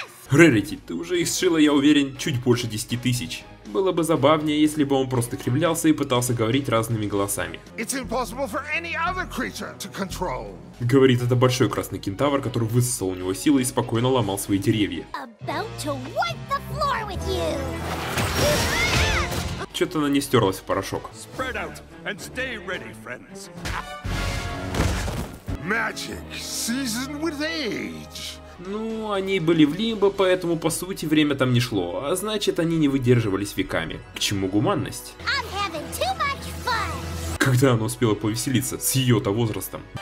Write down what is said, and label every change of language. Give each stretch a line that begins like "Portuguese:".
Russian: Рерити, ты уже их сшила, я уверен, чуть больше 10 тысяч. Было бы забавнее, если бы он просто кривлялся и пытался говорить разными голосами.
English: It's impossible for any other creature to control.
Russian: Говорит это большой красный кентавр, который высосал у него силы и спокойно ломал свои деревья.
English: About to wipe the floor with you.
Russian: Чё-то она не стерлась в порошок.
English: Spread out and stay ready, friends. Magic seasoned with age.
Russian: Ну, они были в Лимбо, поэтому, по сути, время там не шло, а значит, они не выдерживались веками. К чему гуманность?
English: I'm having too much fun.
Russian: Когда она успела повеселиться с ее-то возрастом?